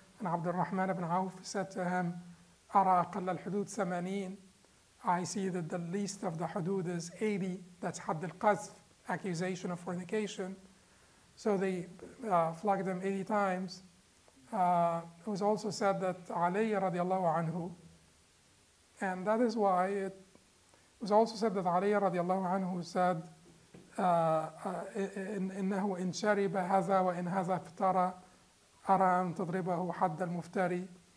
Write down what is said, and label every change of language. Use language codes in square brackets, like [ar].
[en] And عبد الرحمن بن عوف said to him, [ar] أرى أقل الحدود 80. [en] I see that the least of the hudud is 80. That's حد القذف, accusation of fornication. So they flagged him 80 times. It was also said that [ar] علي رضي الله عنه, [en] and that is why it was also said that [ar] علي رضي الله عنه said, إنه إن شرب هذا وإن هذا افترى أرى أن تضربه حد المفتري.